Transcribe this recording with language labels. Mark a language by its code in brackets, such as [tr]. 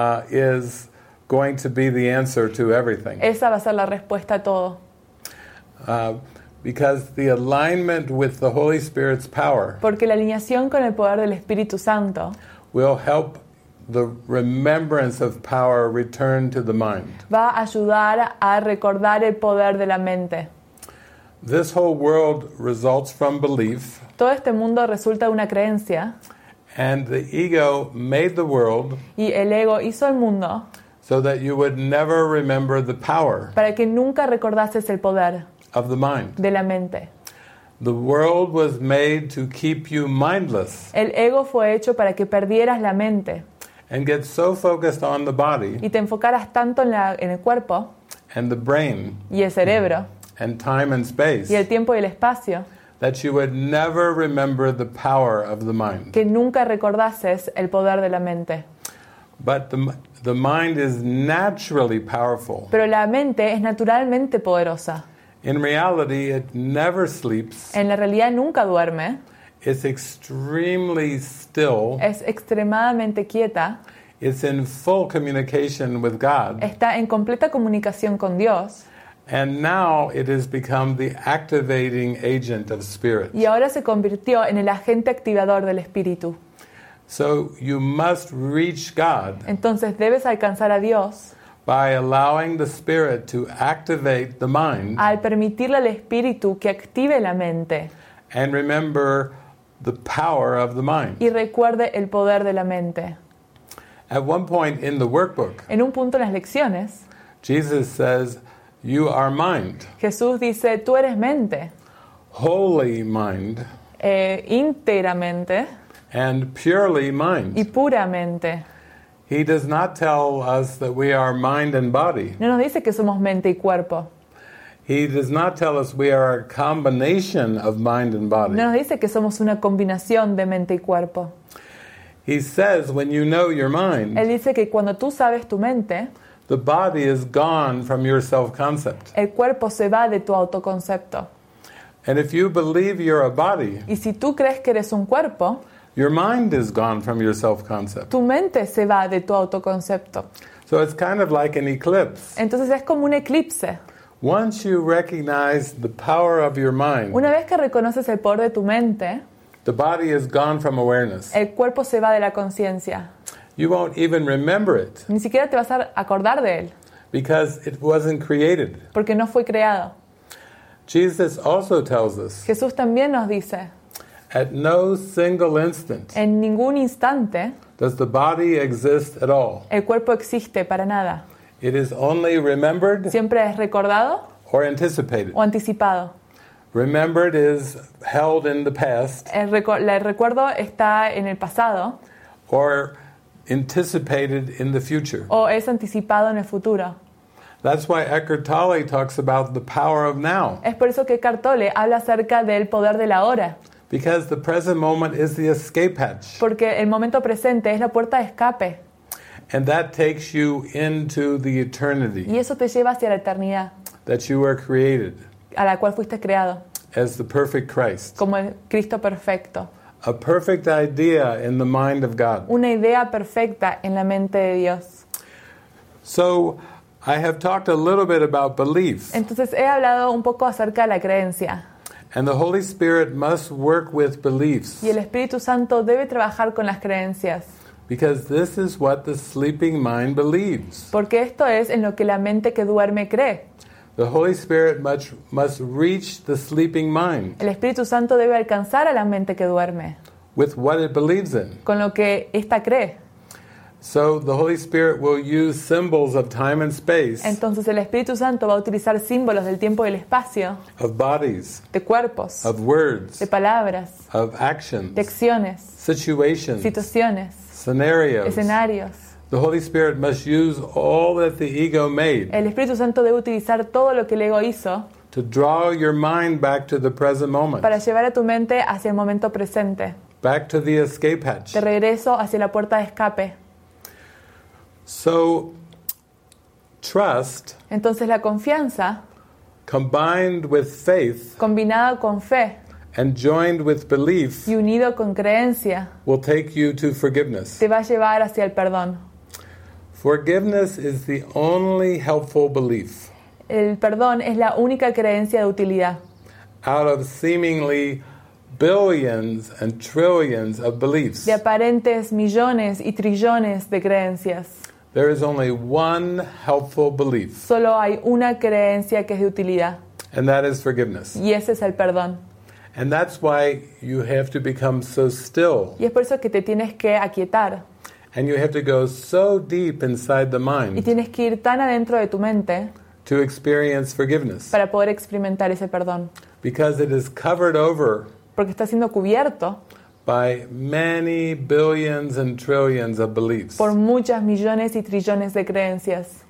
[en] Is going to be the answer to everything. [es] Esa va a ser la respuesta a todo. [en] Because the alignment with the Holy Spirit's power. [es] Porque la alineación con el poder del Espíritu Santo. [en] Will help the remembrance of power return to the mind. [es] Va a ayudar a recordar el poder de la mente. [en] This whole world results from belief. [es] Todo este mundo resulta de una creencia. [en] And the ego made the world. [es] Y el ego hizo el mundo. [en] So that you would never remember the power. [es] Para que nunca recordases el poder. [en] Of the mind. [es] De la mente. [en] The world was made to keep you mindless. [es] El ego fue hecho para que perdieras la mente. [en] And get so focused on the body. [es] Y te enfocaras tanto en el cuerpo. [en] And the brain. [es] Y el cerebro. [en] And time and space. [es] Y el tiempo y el espacio. [en] That you would never remember the power of the mind. [es] Que nunca recordases el poder de la mente. [en] But the mind is naturally powerful. [es] Pero la mente es naturalmente poderosa. [en] In reality, it never sleeps. [es] En la realidad nunca duerme. [en] It's extremely still. [es] Es extremadamente quieta. [en] It's in full communication with God. [es] Está en completa comunicación con Dios. [en] And now it has become the activating agent of spirit. [es] Y ahora se convirtió en el agente activador del espíritu. [en] So you must reach God. [es] Entonces debes alcanzar a Dios. [en] By allowing the spirit to activate the mind. [es] Al permitirle al espíritu que active la mente. [en] And remember the power of the mind. [es] Y recuerde el poder de la mente. [en] At one point in the workbook. [es] En un punto en las lecciones. [en] Jesus says, "You are mind." [es] Jesús dice, "Tú eres mente." [en] Holy mind. [es] Íntegramente. [en] And purely mind. [es] Y puramente. [en] He does not tell us that we are mind and body. [es] No nos dice que somos mente y cuerpo. [en] He does not tell us we are a combination of mind and body. [es] No nos dice que somos una combinación de mente y cuerpo. [en] He says when you know your mind. [es] Él dice que cuando tú sabes tu mente. [en] The body is gone from your self-concept. [es] El cuerpo se va de tu autoconcepto. [en] And if you believe you're a body. [es] Y si tú crees que eres un cuerpo. [en] Your mind is gone from your self-concept. [es] Tu mente se va de tu autoconcepto. [en] So it's kind of like an eclipse. [es] Entonces es como un eclipse. [en] Once you recognize the power of your mind. [es] Una vez que reconoces el poder de tu mente. [en] The body is gone from awareness. [es] El cuerpo se va de la conciencia. [en] You won't even remember it. [es] Ni siquiera te vas a acordar de él. [en] Because it wasn't created. [es] Porque no fue creado. [en] Jesus also tells us. [es] Jesús también nos dice. [en] At no single instant. [es] En ningún instante. [en] Does the body exist at all? [es] El cuerpo existe para nada. [en] It is only remembered. [es] Siempre es recordado. [en] Or anticipated. [es] O anticipado. [en] Remembered is held in the past. [es] El recuerdo está en el pasado. [en] Or anticipated in the future. [es] O es anticipado en el futuro. [en] That's why Eckhart Tolle talks about the power of now. [es] Es por eso que Eckhart Tolle habla acerca del poder del ahora. [en] Because the present moment is the escape hatch. [es] Porque el momento presente es la puerta de escape. [en] And that takes you into the eternity. [es] Y eso te lleva hacia la eternidad. [en] That you were created. [es] A la cual fuiste creado. [en] As the perfect Christ. [es] Como el Cristo perfecto. [en] A perfect idea in the mind of God. [es] Una idea perfecta en la mente de Dios. [en] So, I have talked a little bit about belief. [es] Entonces he hablado un poco acerca de la creencia. [en] And the Holy Spirit must work with beliefs. [es] Y el Espíritu Santo debe trabajar con las creencias. [en] Because this is what the sleeping mind believes. [es] Porque esto es en lo que la mente que duerme cree. [en] The Holy Spirit must reach the sleeping mind. [es] El Espíritu Santo debe alcanzar a la mente que duerme. [en] With what it believes in. [es] Con lo que esta cree. [en] So the Holy Spirit will use symbols of time and space. [es] Entonces el Espíritu Santo va a utilizar símbolos del tiempo y el espacio. [en] Of bodies. [es] De cuerpos. [en] Of words. [es] De palabras. [en] Of actions. [es] De acciones. [en] Situations. [es] Situaciones. [en] Scenarios. [es] Escenarios. [en] The Holy Spirit must use all that the ego made. [es] El Espíritu Santo debe utilizar todo lo que el ego hizo. [en] To draw your mind back to the present moment. [es] Para llevar a tu mente hacia el momento presente. [en] Back to the escape hatch. [es] De regreso hacia la puerta de escape. [en] So, trust. [es] Entonces la confianza. [en] Combined with faith. [es] Combinado con fe. [en] And joined with belief. [es] Y unido con creencia. [en] Will take you to forgiveness. [es] Te va a llevar hacia el perdón. [en] Forgiveness is the only helpful belief. [es] El perdón es la única creencia de utilidad. [en] out of seemingly billions and trillions of beliefs. [es] De aparentes millones y trillones de creencias. [en] There is only one helpful belief. [es] Solo hay una creencia que es de utilidad. [en] And that is forgiveness. [es] Y ese es el perdón. [en] And that's why you have to become so still. [es] Y es por eso que te tienes que aquietar. [en] And you have to go so deep inside the mind. [es] Y tienes que ir tan adentro de tu mente. [en] To experience forgiveness. [es] Para poder experimentar ese perdón. [en] Because it is covered over. [es] Porque está siendo cubierto. [en] By many billions and trillions of beliefs. [es] Por muchas millones y trillones de creencias.